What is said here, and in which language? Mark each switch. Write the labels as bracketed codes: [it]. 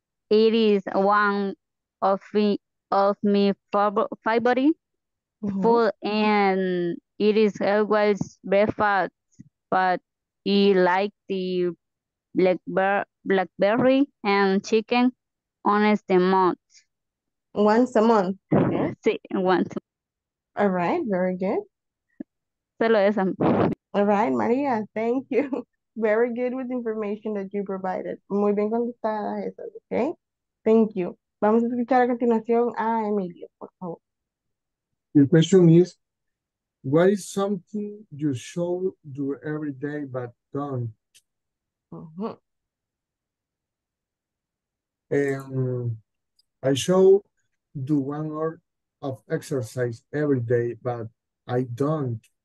[en] It is one of my favorite food, and it is always breakfast, but I like the blackberry and chicken on the most. Once a month. [es] Sí, once. [en] All right, very good. [es] Solo esa. [en] All right, María, thank you. Very good with the information that you provided. [es] Muy bien contestada esa, okay? [en] Thank you. [es] Vamos a escuchar a continuación a Emilio, por favor. [en] The question is, what is something you should do every day but don't? I should do 1 hour of exercise every day, but I don't.